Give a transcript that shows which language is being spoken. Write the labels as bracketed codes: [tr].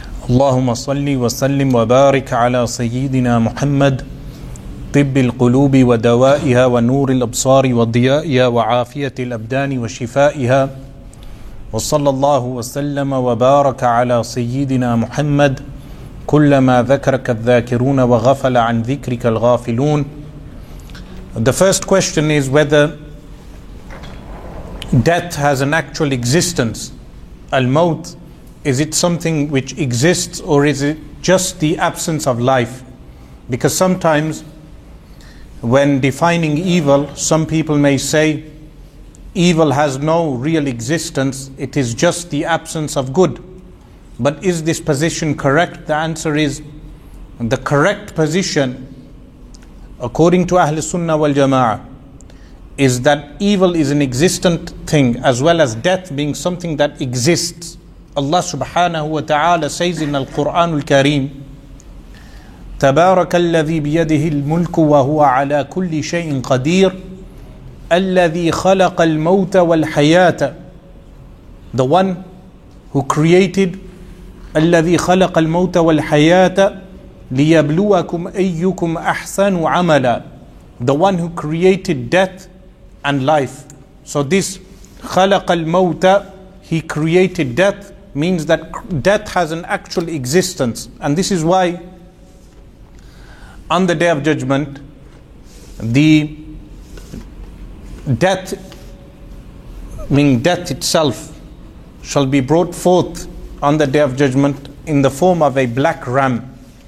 [ar] اللهم صل وسلم وبارك على سيدنا محمد طب القلوب ودوائها ونور الأبصار وضيائها وعافية الأبدان وشفائها وصلى الله وسلم وبارك على سيدنا محمد كلما ذكرك الذاكرون وغفل عن ذكرك الغافلون. [en] The first question is whether death has an actual existence. Al-maut, is it something which exists or is it just the absence of life? Because sometimes when defining evil, some people may say evil has no real existence, it is just the absence of good. But is this position correct? The answer is, the correct position, according to Ahl Sunnah wal Jama'ah, is that evil is an existent thing, as well as death being something that exists. [ar] Allah subhanahu wa ta'ala says in Al-Quran Al-Kareem, تَبَارَكَ الَّذِي بِيَدِهِ الْمُلْكُ وَهُوَ عَلَىٰ كُلِّ شَيْءٍ قَدِيرٍ الَّذِي خَلَقَ الْمَوْتَ وَالْحَيَاةَ. [en] The one who created, [ar] الَّذِي خَلَقَ الْمَوْتَ وَالْحَيَاةَ لِيَبْلُوَكُمْ أَيُّكُمْ أَحْسَنُ عَمَلًا. [en] The one who created death and life. So this [ar] خَلَقَ الْمَوْتَ, [en] he created death, means that death has an actual existence. And this is why on the Day of Judgment, the death, meaning death itself, shall be brought forth on the Day of Judgment in the form of a black ram.